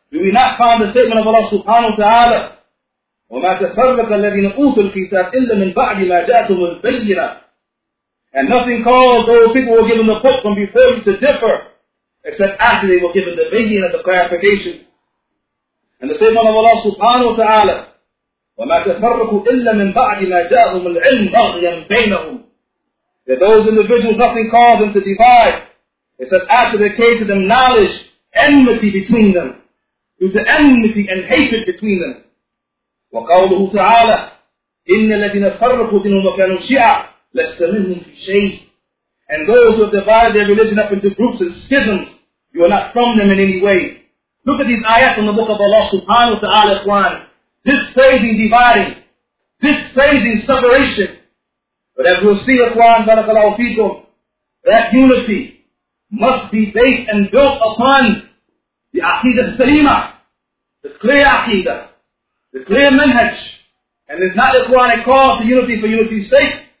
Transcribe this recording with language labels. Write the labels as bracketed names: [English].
[English] Do we not find the statement of Allah subhanahu wa ta'ala? [Arabic] وَمَا تَفَرَّقَ الَّذِينَ أُوتُوا الْكِتَابَ إِلَّا مِنْ بَعْدِ مَا جَاءَتْهُمُ الْبَيِّنَةُ. [English] And nothing caused those people who were given the book from before you to differ, except after they were given the bayyinah, the clarification. And the statement of Allah subhanahu wa ta'ala, [Arabic] وَمَا تَفَرَّقُوا إِلَّا مِنْ بَعْدِ مَا جَاءَهُمُ الْعِلْمُ بَغْيًا بَيْنَهُمْ. [English] That those individuals, nothing caused them to divide, except after they came to them knowledge, enmity between them. There was enmity and hatred between them. [Arabic] وقوله تعالى إن الذين فرقوا دينهم وكانوا شيعة لست منهم في شيء. [English] And those who have divided their religion up into groups and schisms, you are not from them in any way. Look at these ayats in the book of Allah subhanahu wa ta'ala, Quran. Dispraising dividing. Dispraising separation. But as we'll see, Quran, barakallahu feekum, that unity must be based and built upon the aqidah salimah, the clear aqidah, the clear manhaj, and it's not the Quran a call to unity for unity's sake.